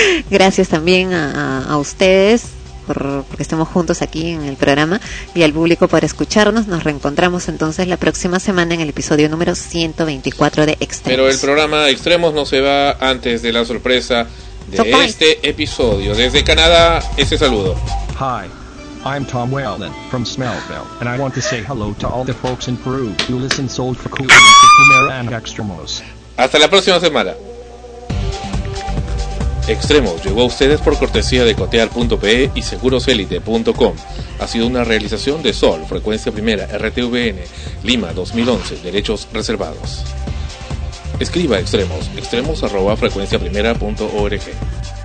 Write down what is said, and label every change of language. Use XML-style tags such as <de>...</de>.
<es>Gracias también a ustedes porque estemos juntos aquí en el programa y al público por escucharnos. Nos reencontramos entonces la próxima semana en el episodio número 124 de Extremos. Pero el programa Extremos no se va antes de la sorpresa de este episodio. Desde Canadá, ese saludo.</es> <en>Hi, I'm Tom Whalen from Smellville, and I want to say hello to all the folks in Peru who listen Soul for Cool and the Primera and Extremos.</en> <es>Hasta la próxima semana. Extremos llegó a ustedes por cortesía de cotear.pe y segurosélite.com. Ha sido una realización de Sol, Frecuencia Primera, RTVN, Lima 2011, derechos reservados. Escriba extremos@frecuenciaprimera.org.</es>